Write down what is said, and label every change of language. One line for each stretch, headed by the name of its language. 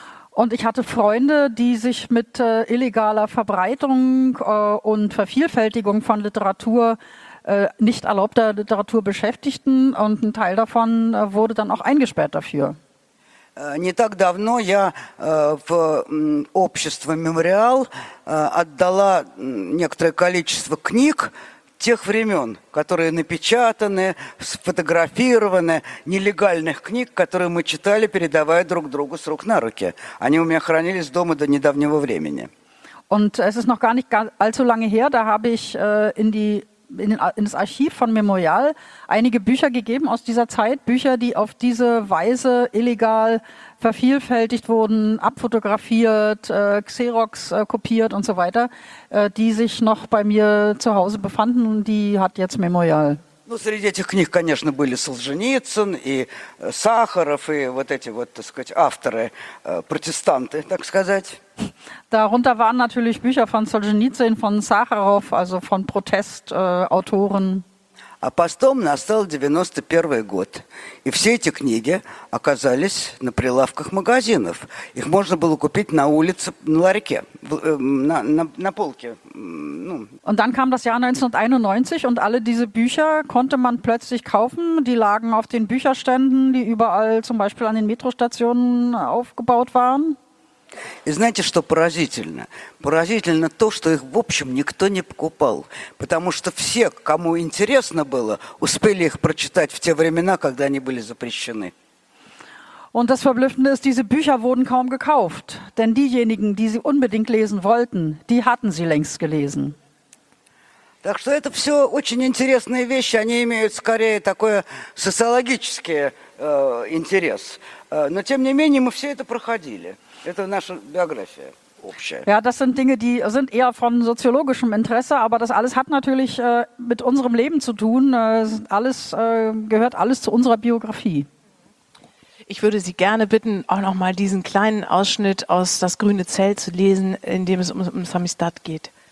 German: Und ich hatte Freunde, die sich mit illegaler Verbreitung und Vervielfältigung von Literatur, nicht erlaubter Literatur beschäftigten und ein Teil davon wurde dann auch eingesperrt dafür.
Russian: Не так давно я в общество «Мемориал» отдала некоторое количество книг тех времен, которые напечатаны, сфотографированы, нелегальных книг, которые мы читали, передавая друг другу с рук на руки. Они у меня хранились дома до недавнего времени.
German: Und es ist noch gar nicht allzu lange her, da habe ich in das Archiv von Memorial einige Bücher gegeben aus dieser Zeit, Bücher, die auf diese Weise illegal vervielfältigt wurden, abfotografiert, Xerox kopiert und so weiter, die sich noch bei mir zu Hause befanden und die hat jetzt Memorial.
Russian: Ну, среди этих книг, конечно, были Солженицын и Сахаров, и вот эти вот, так сказать, авторы, протестанты, так сказать.
German: Darunter waren natürlich Bücher von Солженицын, von Сахаров, also von Protestautoren.
Russian: А потом настал 91-й год, и все эти книги оказались на прилавках магазинов. Их можно было купить на улице, на ларьке, на полке. Ну.
German: Und dann kam das Jahr 1991 und alle diese Bücher konnte man plötzlich kaufen. Die lagen auf den Bücherständen, die überall zum Beispiel an den Metrostationen aufgebaut waren.
Russian: И знаете, что поразительно? Поразительно то, что их, в общем, никто не покупал. Потому что все, кому интересно было, успели их прочитать в те времена, когда они были запрещены.
German: Und das Verblüffende ist, diese Bücher wurden kaum gekauft. Denn diejenigen, die sie unbedingt lesen wollten, die hatten sie längst gelesen.
Russian: Так что это все очень интересные вещи. Они имеют скорее такой социологический интерес. Но тем не менее, мы все это проходили. Это наша биография общая.
German: Ja, das sind Dinge, die sind eher von soziologischem Interesse, aber das alles hat natürlich mit unserem Leben zu tun. Alles gehört alles zu unserer Biografie. Ich würde Sie gerne bitten, auch noch mal diesen kleinen Ausschnitt aus Das grüne Zelt zu lesen, in dem es um Samizdat geht.